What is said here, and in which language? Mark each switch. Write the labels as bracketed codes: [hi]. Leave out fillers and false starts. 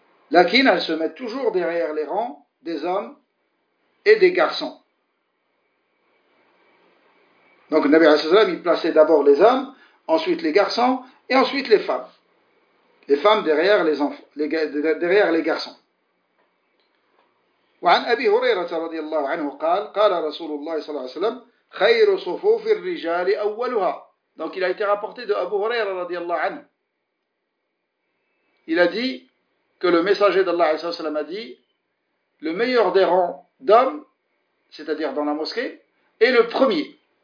[fr] Lakin, elles se mettent toujours derrière les rangs des hommes et des garçons. Donc le Nabi alayhi salam, il plaçait d'abord les hommes, ensuite les garçons, et ensuite les femmes. Les femmes derrière les enfants, derrière les garçons. [ar] وعن أبي هريرة رضي الله عنه قال قال رسول الله صلى الله عليه وسلم خير صفوف الرجال أولها. [fr] Donc il a été rapporté de Abu Huraira [ar] رضي الله عنه. [fr] Il a dit que le messager d'Allah [ar] عليه وسلم [fr] a dit: le meilleur des rangs d'hommes, c'est-à-dire dans la mosquée, est le premier.